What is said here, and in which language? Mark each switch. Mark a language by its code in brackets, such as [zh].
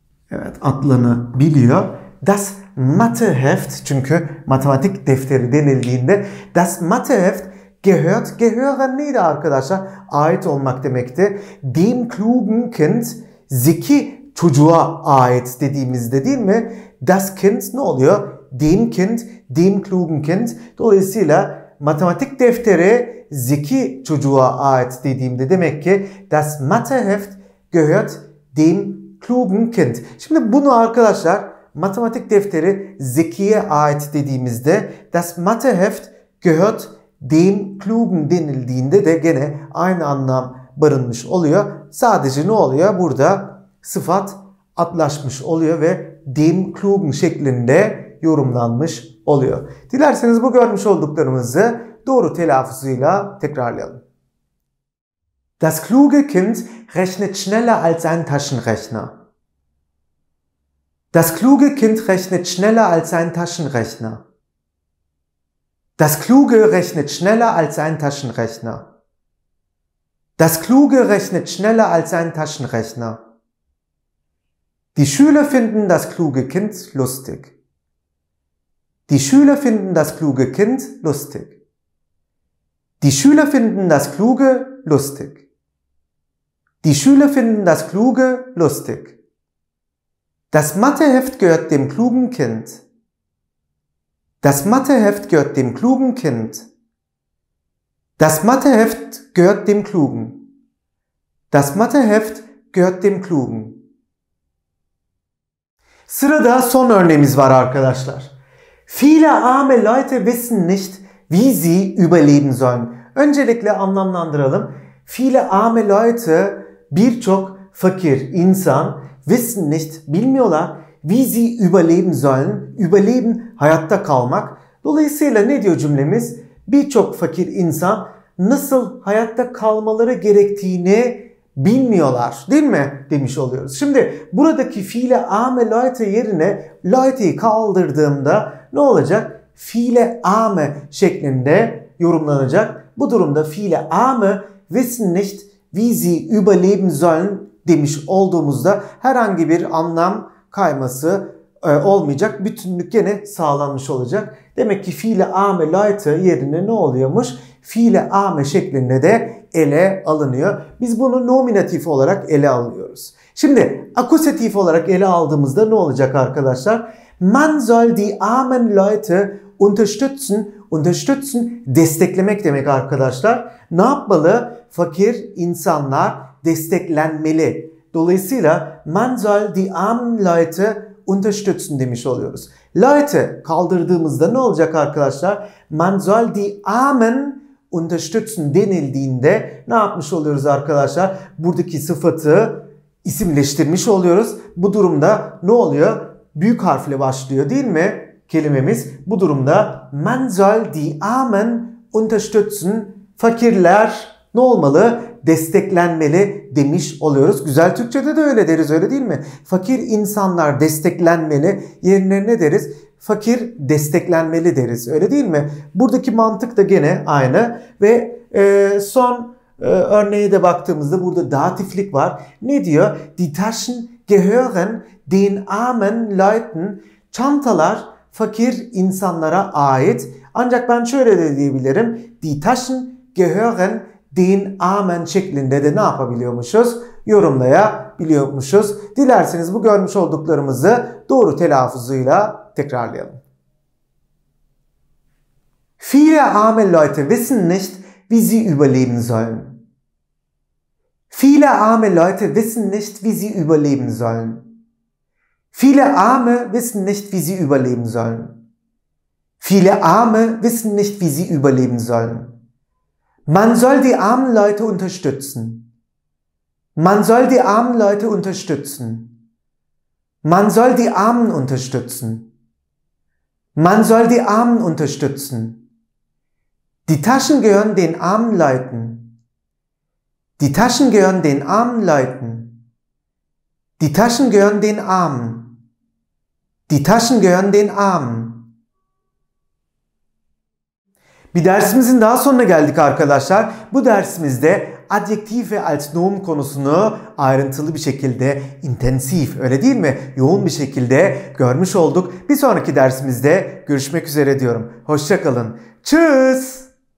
[tr] Evet adlarını biliyor. [de] Das Matheheft. [tr] Çünkü matematik defteri denildiğinde. [de] Das Matheheft gehört. [tr] Gehören neydi arkadaşlar? Ait olmak demekti. [de] Dem klugen Kind. [tr] Zeki çocuğa ait dediğimizde değil mi? [de] Das Kind [tr] ne oluyor? [de] Dem Kind, dem klugen Kind. [tr] Dolayısıyla matematik defteri zeki çocuğa ait dediğimde demek ki [de] das Matheheft gehört dem klugen Kind. [tr] Şimdi bunu arkadaşlar matematik defteri zekiye ait dediğimizde [de] das Matheheft gehört dem klugen [tr] denildiğinde de gene aynı anlam barınmış oluyor. Sadece ne oluyor? Burada sıfat adlaşmış oluyor ve [de] dem klugen [tr] şeklinde yorumlanmış oluyor. Dilerseniz bu görmüş olduklarımızı doğru telaffuzuyla tekrarlayalım. [de] Das kluge Kind rechnet schneller als ein Taschenrechner. Das kluge Kind rechnet schneller als ein Taschenrechner. Das kluge rechnet schneller als ein Taschenrechner. Das kluge rechnet schneller als ein Taschenrechner. Die Schüler finden das kluge Kind lustig. Die Schüler finden das kluge Kind lustig. Die Schüler finden das kluge lustig. Die Schüler finden das kluge lustig. Das Matheheft gehört dem klugen Kind. Das Matheheft gehört dem klugen Kind. Das Matheheft gehört dem klugen. Das Matheheft gehört dem klugen. [tr] Sırada son örneğimiz var arkadaşlar. [de] Viele arme Leute wissen nicht, wie sie überleben sollen. [tr] Öncelikle anlamlandıralım. [de] Viele arme Leute, [tr] birçok fakir insan, [de] wissen nicht, [tr] bilmiyorlar, [de] wie sie überleben sollen. [tr] Überleben, hayatta kalmak. Dolayısıyla ne diyor cümlemiz? Birçok fakir insan nasıl hayatta kalmaları gerektiğini bilmiyorlar değil mi demiş oluyoruz. Şimdi buradaki [de] fiile ame leute [tr] yerine leute'yi kaldırdığımda ne olacak? [de] Fiile ame [tr] şeklinde yorumlanacak. Bu durumda [de] fiile ame wissen nicht wie sie überleben sollen [tr] demiş olduğumuzda herhangi bir anlam kayması olmayacak. Bütünlük gene sağlanmış olacak. Demek ki [de] fiile ame leute [tr] yerine ne oluyormuş? [de] Fiile ame [tr] şeklinde de ele alınıyor. Biz bunu nominatif olarak ele alıyoruz. Şimdi akusatif olarak ele aldığımızda ne olacak arkadaşlar? [de] Man soll die armen Leute unterstützen. [tr] Unterstützen, desteklemek demek arkadaşlar. Ne yapmalı? Fakir insanlar desteklenmeli. Dolayısıyla [de] man soll die armen Leute unterstützen [tr] demiş oluyoruz. Leute kaldırdığımızda ne olacak arkadaşlar? [de] Man soll die armen unterstützen [tr] denildiğinde ne yapmış oluyoruz arkadaşlar? Buradaki sıfatı isimleştirmiş oluyoruz. Bu durumda ne oluyor? Büyük harfle başlıyor değil mi kelimemiz? Bu durumda [de] man soll die armen unterstützen, [tr] fakirler ne olmalı? Desteklenmeli demiş oluyoruz. Güzel Türkçe'de de öyle deriz, öyle değil mi? Fakir insanlar desteklenmeli yerine ne deriz? Fakir desteklenmeli deriz, öyle değil mi? Buradaki mantık da gene aynı. Ve son örneğe de baktığımızda burada datiflik var. Ne diyor? [de] Die Taschen gehören den armen Leuten. [tr] Çantalar fakir insanlara ait. Ancak ben şöyle de diyebilirim. [de] Die Taschen gehören den armen [tr] şeklinde de ne yapabiliyormuşuz? Yorumlayabiliyormuşuz. Dilerseniz bu görmüş olduklarımızı doğru telaffuzuyla tekrarlayalım. [de] Viele arme Leute wissen nicht, wie sie überleben sollen. Viele arme Leute wissen nicht, wie sie überleben sollen. Viele arme wissen nicht, wie sie überleben sollen. Viele arme wissen nicht, wie sie überleben sollen. Man soll die armen Leute unterstützen. Man soll die armen Leute unterstützen. Man soll die Armen unterstützen. Man soll die Armen unterstützen. Die Taschen gehören den armen Leuten. Die Taschen gehören den armen Leuten. Die Taschen gehören den Armen. Die Taschen gehören den Armen. [tr] Bir dersimizin daha sonuna geldik arkadaşlar. Bu dersimizde adjektif ve als nom konusunu ayrıntılı bir şekilde, intensif, öyle değil mi? Yoğun bir şekilde görmüş olduk. Bir sonraki dersimizde görüşmek üzere diyorum. Hoşça kalın. Tschüss.